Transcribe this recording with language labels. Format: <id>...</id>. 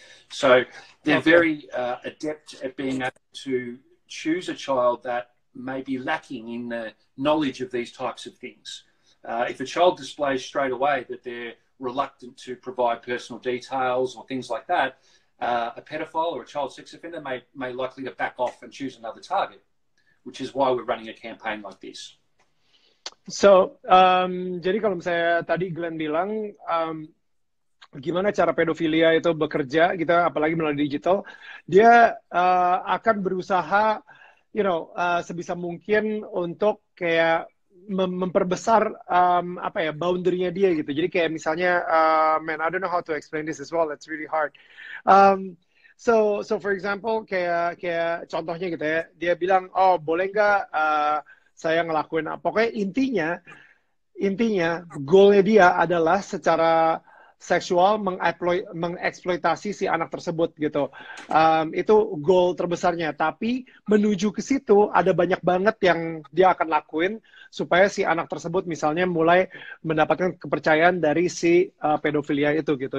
<en>So they're very adept at being able to choose a child that may be lacking in the knowledge of these types of things. If a child displays straight away that they're reluctant to provide personal details or things like that, a pedophile or a child sex offender may likely to back off and choose another target, which is why we're running a campaign like this.</en> <id>So, jadi kalau misalnya tadi Glen bilang, gimana cara pedofilia itu bekerja, gitu, apalagi melalui digital, dia akan berusaha, sebisa mungkin untuk kayak memperbesar boundary-nya dia gitu. Jadi kayak misalnya,</id> <en>I don't know how to explain this as well. It's really hard. So for example,</en> <id>kayak contohnya gitu ya. Dia bilang, oh boleh nggak saya ngelakuin apa? Pokoknya intinya goal-nya dia adalah secara seksual mengeksploitasi si anak tersebut gitu. Itu goal terbesarnya. Tapi menuju ke situ ada banyak banget yang dia akan lakuin supaya si anak tersebut misalnya mulai mendapatkan kepercayaan dari si pedofilia itu gitu.</id>